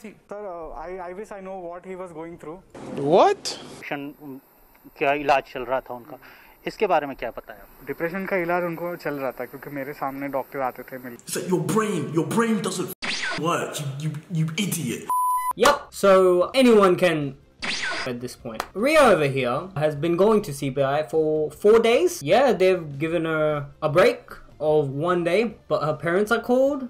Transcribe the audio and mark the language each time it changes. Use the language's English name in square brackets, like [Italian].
[English] I wish I know what he was going through. What? [Hindi] क्या इलाज चल रहा था उनका? इसके बारे में क्या पता है? Depression का इलाज उनको चल रहा था क्योंकि मेरे सामने डॉक्टर आते थे मिल. [English] So your brain doesn't work. You idiot. Yep. So anyone can. At this point, Rhea over here has been going to CBI for 4 days. Yeah, they've given her a break of 1 day, but her parents are called.